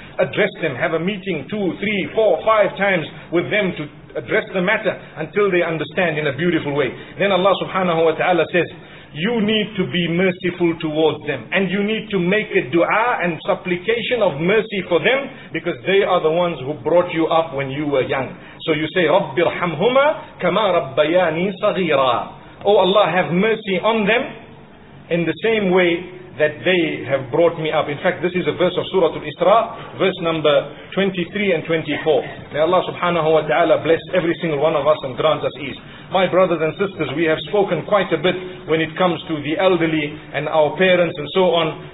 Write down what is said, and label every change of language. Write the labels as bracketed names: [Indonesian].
[English] Address them, have a meeting 2, 3, 4, 5 times with them to address the matter until they understand in a beautiful way. Then Allah subhanahu wa ta'ala says, you need to be merciful towards them. And you need to make a dua and supplication of mercy for them, because they are the ones who brought you up when you were young. So you say, [Arabic] رَبِّ ارْحَمْهُمَا كَمَا رَبَّيَانِي صَغِيرًا. [English] Oh Allah, have mercy on them in the same way that they have brought me up. In fact, this is a verse of Surah Al-Isra, verse number 23 and 24. May Allah subhanahu wa ta'ala bless every single one of us and grant us ease. My brothers and sisters, we have spoken quite a bit when it comes to the elderly and our parents and so on.